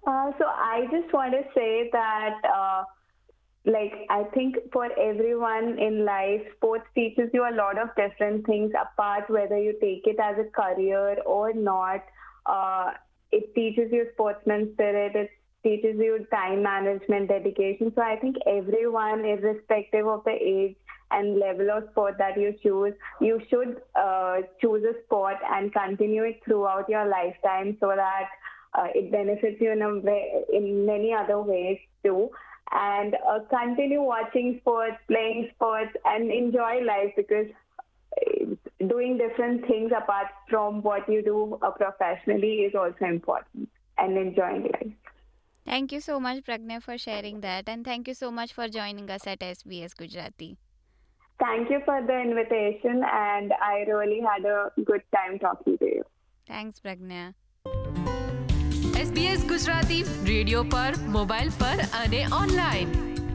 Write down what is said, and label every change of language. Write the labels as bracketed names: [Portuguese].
[English] So I just want to say that like I think for everyone in life sports teaches you a lot of different things apart whether you take it as a career or not. It teaches you sportsman spirit, it teaches you time management, dedication. So I think everyone irrespective of the age and level of sport that you choose, you should choose a sport and continue it throughout your lifetime so that it benefits you in many other ways too. And continue watching sports, playing sports, and enjoy life, because doing different things apart from what you do professionally is also important, and enjoying life. Thank you so much, Pragna, for sharing that. And thank you so much for joining us at SBS Gujarati. Thank you for the invitation, and I really had a good time talking to you. Thanks, Pragna. [Gujarati] SBS Gujarati, radio પર, mobile પર અને online.